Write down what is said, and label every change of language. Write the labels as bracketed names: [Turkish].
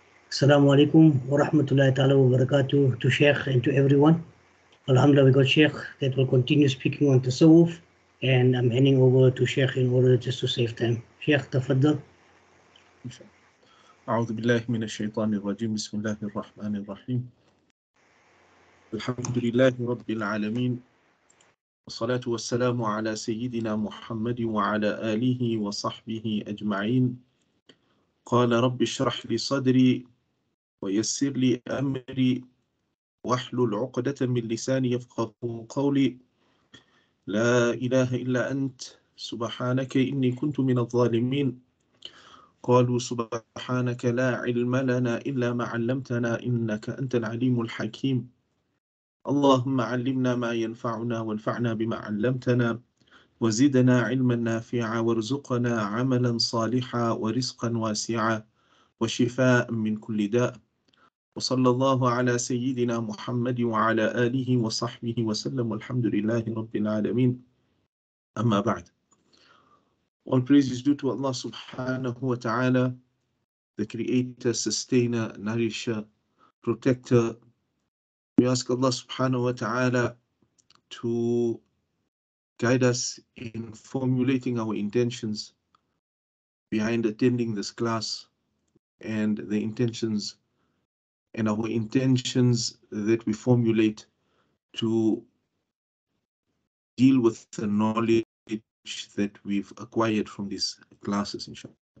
[Arabic] السلام علیکم و رحمت اللہ تعالی و برکاتہ [English] to Sheikh and to everyone. Alhamdulillah, we got Sheikh that will continue speaking on Tasawwuf, and I'm handing over to Sheikh in order just to save time. Sheikh, tafaddal. [Arabic] أعوذ بالله من الشيطان الرجيم. بسم الله الرحمن الرحيم. الحمد لله رب العالمين، والصلاة والسلام على سيدنا محمد وعلى آله وصحبه أجمعين. قال رب اشرح لي صدري ويسر لي أمري واحلل عقدة من لساني يفقهوا قولي. لا إله إلا أنت سبحانك إني كنت من الظالمين. قالوا سبحانك لا علم لنا إلا ما علمتنا إنك أنت العليم الحكيم. اللهم علمنا ما ينفعنا وانفعنا بما علمتنا وزدنا علما نافعا وارزقنا عملا صالحا ورزقا واسعا وشفاء من كل داء. وصلى الله على سيدنا محمد وعلى آله وصحبه وسلم. الحمد لله رب العالمين. أما بعد. [English] All praise is due to Allah subhanahu wa ta'ala, the creator, sustainer, nourisher, protector. We ask Allah subhanahu wa ta'ala to guide us in formulating our intentions behind attending this class and the intentions and our intentions that we formulate to deal with the knowledge that we've acquired from these classes, inshallah.